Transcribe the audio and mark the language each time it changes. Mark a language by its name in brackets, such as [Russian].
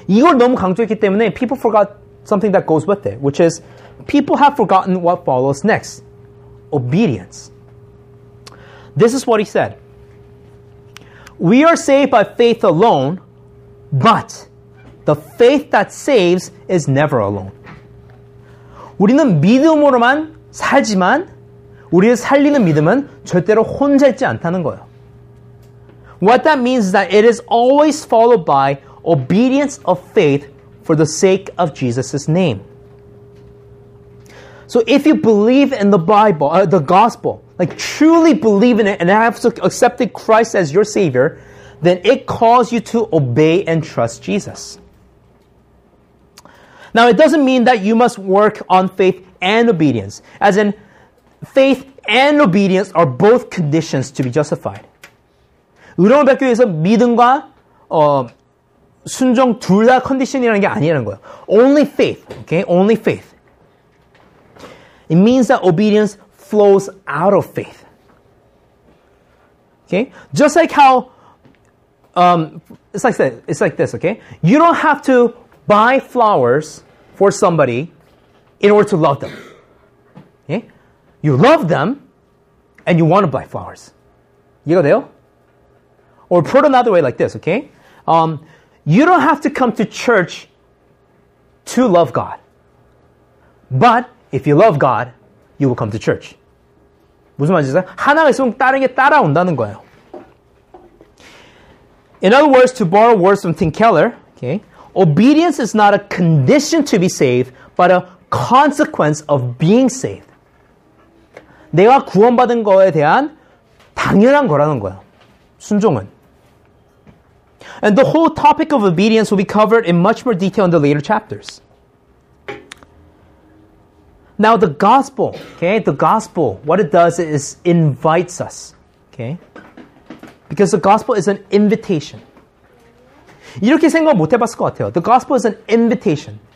[Korean] 이걸 너무 강조했기 때문에 [English] people forgot something that goes with it, which is people have forgotten what follows next. Obedience. This is what he said. We are saved by faith alone, but the faith that saves is never alone. [Korean] 우리는 믿음으로만 살지만 우리를 살리는 믿음은 절대로 혼자 있지 않다는 거예요. [English] What that means is that it is always followed by obedience of faith for the sake of Jesus' name. So if you believe in the Bible, the gospel, like truly believe in it and have accepted Christ as your Savior, then it calls you to obey and trust Jesus. Now, it doesn't mean that you must work on faith and obedience, as in faith and obedience are both conditions to be justified. [Korean] 의로움을 받기 위해서 믿음과 순종 둘 다 컨디션이라는 게 아니라는 거예요. [English] Only faith, okay? Only faith. It means that obedience flows out of faith. Okay? Just like how, it's like this, okay? You don't have to buy flowers for somebody in order to love them. Okay? You love them and you want to buy flowers. [Korean] 이해가 돼요? [English] Or put another way like this, okay? You don't have to come to church to love God. But if you love God, you will come to church. [Korean] 무슨 말이죠? 하나가 있으면 다른 게 따라온다는 거예요. [English] In other words, to borrow words from Tim Keller, okay, obedience is not a condition to be saved, but a consequence of being saved. [Korean] 내가 구원받은 거에 대한 당연한 거라는 거예요. 순종은. [English] And the whole topic of obedience will be covered in much more detail in the later chapters. Now the gospel, okay, the gospel, what it does is invites us, okay? Because the gospel is an invitation. [Korean] 이렇게 생각 못 해봤을 것 같아요. [English] The gospel is an invitation.